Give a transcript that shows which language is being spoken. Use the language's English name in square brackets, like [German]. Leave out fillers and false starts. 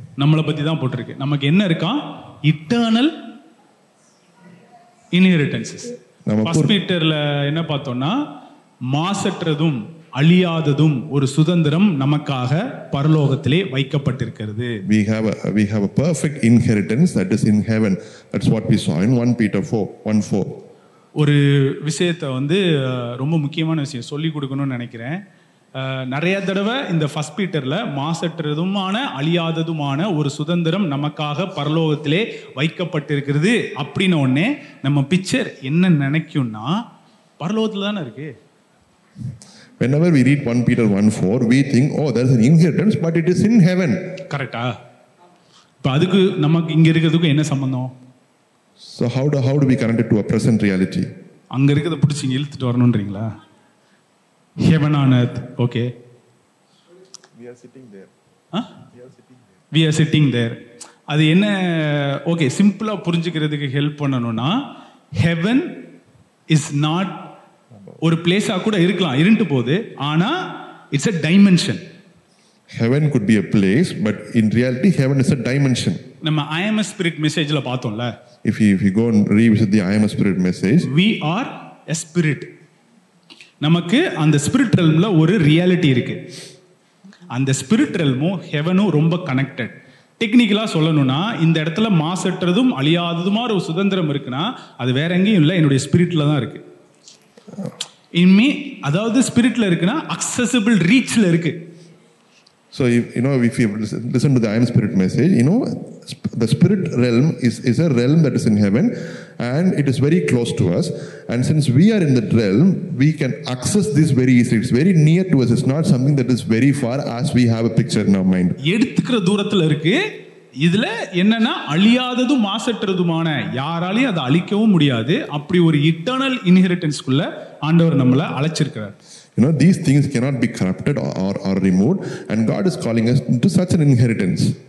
[Tamil] நம்மளை பத்தி தான் போட்டிருக்கு. நமக்கு என்ன இருக்கா? இட்டர்னல் இன்ஹெரிட்டன்சஸ். நம்ம ஹாஸ்பிட்டல்ல என்ன பார்த்தோம்னா மாசற்றதும் அழியாததும் ஒரு சுதந்திரம் நமக்காக பரலோகத்திலே வைக்கப்பட்டிருக்கிறது. [English] We have a perfect inheritance that is in heaven. That's what we saw in 1 Peter 4:1-4. [Tamil] ஒரு விஷயத்தை வந்து ரொம்ப முக்கியமான விஷயம் சொல்லி கொடுக்கணும்னு நினைக்கிறேன். நிறைய தடவை இந்த ஃபர்ஸ்ட் பீட்டர்ல மாசற்றதுமான அழியாததுமான ஒரு சுதந்திரம் நமக்காக பரலோகத்திலே வைக்கப்பட்டிருக்கிறது அப்படின்ன உடனே நம்ம பிக்சர் என்ன நினைக்கும்னா, பரலோகத்துல தானே இருக்கு. [English] Whenever we read 1 Peter 1:4, we think, oh, there's an inheritance, but it is in heaven. Correct. [Tamil] இப்ப அதுக்கு நமக்கு இங்க இருக்கிறதுக்கு என்ன சம்பந்தம்? [English] So how do we connect it to a present reality? [Tamil] அங்க இருக்கத புடிச்சு இழுத்துட்டு வரணும்ன்றீங்களா? [English] Heaven on earth. Okay. We are sitting there. [Tamil] அது என்ன? Okay, சிம்பிளா புரிஞ்சிக்கிறதுக்கு ஹெல்ப் பண்ணனும்னா, [English] heaven is not [Tamil] ஒரு பிளேஸா கூட இருக்கலாம் இருந்துட்டு போகுது, ஆனா [English] It's a dimension. Heaven could be a place, but in reality, heaven is a dimension. [Tamil] நம்ம I am a spirit message-ல பார்த்தோம்ல. [English] If you go and revisit the I am a spirit message. We are a spirit. [Tamil] நமக்கு அந்த spirit realm-ல ஒரு reality இருக்கு. அந்த spirit realm-ம் heaven-ம் ரொம்ப connected. டெக்னிக்கலா சொல்லணும்னா, இந்த இடத்துல மாசற்றதும் அழியாததுமா ஒரு சுதந்திரம் இருக்குன்னா, அது வேற எங்கேயும் இல்லை, என்னுடைய spirit-ல தான் இருக்கு. இன்மே அதாவது spirit-ல இருக்குன்னா accessible reach-ல இருக்கு. [English] So if you listen to the I am spirit message, you know the spirit realm is a realm that is in heaven and it is very close to us, and since we are in that realm, we can access this very easily. It's very near to us. It's not something that is very far as we have a picture in our mind. [Tamil] எடுத்துக்கிற தூரத்துல இருக்கு. இதுல என்னன்னா, அழியாததும் மாசற்றதுமான யாராலையும் அதை அழிக்கவும் முடியாது. அப்படி ஒரு இட்டர்னல் இன்ஹெரிட்டன்ஸ்க்குள்ள ஆண்டவர் நம்மளை அழைச்சிருக்கிறார். [English] You know, these things cannot be corrupted or removed, and God is calling us into such an inheritance.